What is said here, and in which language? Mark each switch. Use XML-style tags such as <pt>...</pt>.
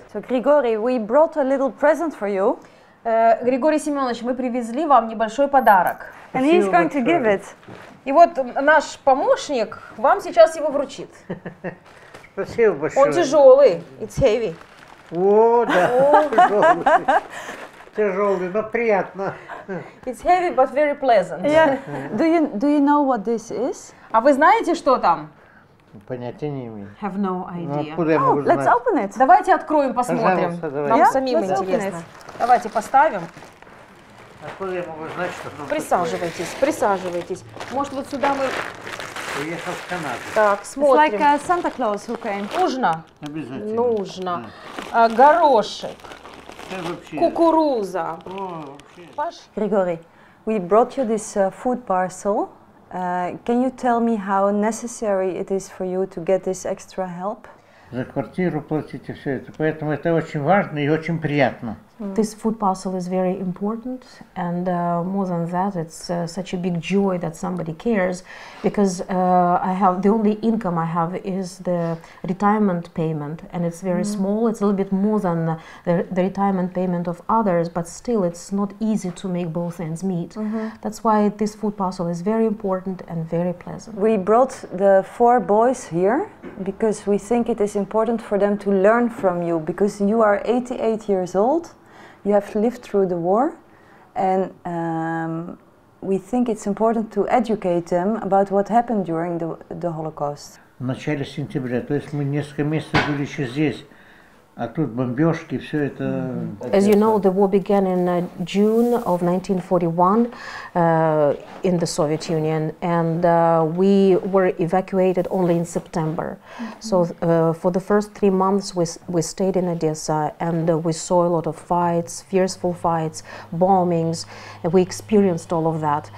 <en>So, Grigory, we brought a little present for you.</en> <ru>Григорий Семенович, мы привезли вам небольшой подарок.</ru> <en>And he's going to give it.</en> <ru>И вот наш помощник вам сейчас его вручит. Спасибо большое. Он тяжелый.</ru> <en>It's heavy.</en> <ru>О, да. Тяжелый, но приятно.</ru> <en>It's heavy, but very pleasant. Yeah. Do you know what this is?</en> <ru>А вы знаете, что там? Понятия не имею.</ru> <en>Have no idea.</en> <ru>Ну, откуда я могу знать?</ru> <en>Let's open it.</en> <ru>Давайте откроем, посмотрим. Давай. Нам самим интересно. Давайте поставим. Откуда я могу знать, что там? Присаживайтесь. Может, вот сюда мы... Уехал в Канаду. Так, смотрим.</ru> <en>It's like Santa Claus who came.</en> <ru>Нужно? Обязательно. Нужно. Да. Горошек. Вообще... Кукуруза. О, вообще...</ru> <en>Паш? Григорий, we brought you this food parcel. Can you tell me how necessary it is for you to get this extra help?</en> <ru>за квартиру платите все это. Поэтому это очень важно и очень приятно.</ru> <en>This food parcel is very important, and more than that, it's such a big joy that somebody cares, because I have the only income I have is the retirement payment, and it's very small. It's a little bit more than the retirement payment of others, but still, it's not easy to make both ends meet. Mm-hmm. That's why this food parcel is very important and very pleasant. We brought the four boys here because we think it is important for them to learn from you, because you are 88 years old. You have lived through the war, and we think it's important to educate them about what happened during the Holocaust.</en> <ru>В начале сентября, то есть мы несколько месяцев были еще здесь, а тут бомбежки, все это.</ru> <en>As you know, the war began in June of 1941 in the Soviet Union, and we were evacuated only in September. Mm-hmm. So for the first 3 months, we stayed in Odessa, and we saw a lot of fights, fearful fights, bombings, and we experienced all of that.</en>